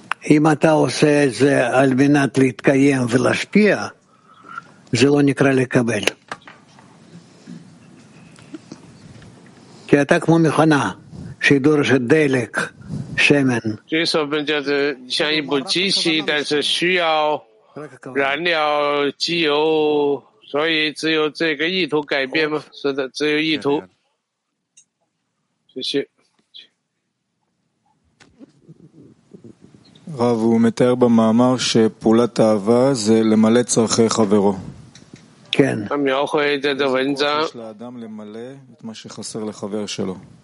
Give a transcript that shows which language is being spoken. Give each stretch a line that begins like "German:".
Hebrew: אם אתה עושה זה על מנת להתקיים ולהשפיע, זה לא נקרא לקבל. כי אתה כמו מכונה שדורשת דלק, שמן.
Chinese: 就是像一部机器，但是需要 燃料机油，所以只有这个意图改变吗？是的，只有意图。谢谢。Rav,
Hebrew: הוא מתאר במאמר שפעולת אהבה זה למלא צרכי חברו. כן.
Chinese: 他描绘这个文章.
Hebrew: יש לאדם למלא את מה שחסר לחבר שלו.